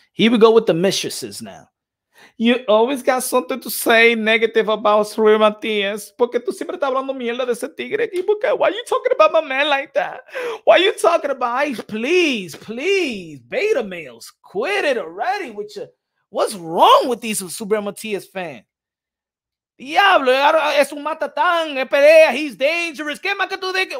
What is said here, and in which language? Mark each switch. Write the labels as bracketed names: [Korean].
[English] Here we go with the mistresses now. You always got something to say negative about Rui Matias. [Spanish] Porque tú siempre estás hablando mierda de ese tigre. [English] Why are you talking about my man like that? Why are you talking about? Please, please, beta males, quit it already with you. What's wrong with these Rui Matias fans? [Spanish] Diablo, es un matatán, es pelea, [English] he's dangerous. [Spanish] ¿Qué más que tú digas?